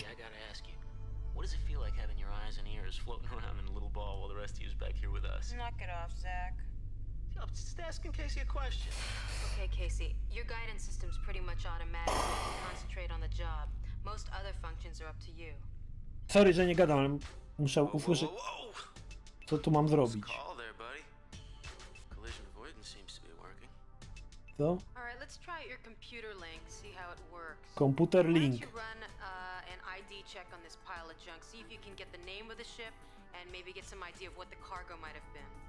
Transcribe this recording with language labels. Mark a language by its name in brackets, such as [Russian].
[English] I gotta ask you, what does it feel like having your eyes and ears floating around in a little ball while the rest of you is back here with us? Knock it off, Zach. I'm just asking Casey a question. Okay, Casey, your guidance system's pretty much automatic. You can concentrate on the job. Most other functions are up to you. [Polish] Sorry, że nie gadam, ale muszę usłyszeć, co tu mam zrobić. [English] Collision avoidance seems to be working. [Polish] Co? [English] All right, let's try your computer link, see how it works. Computer link. Why don't you run an ID check on this pile of junk, see if you can get the name of the ship and maybe get some idea of what the cargo might have been.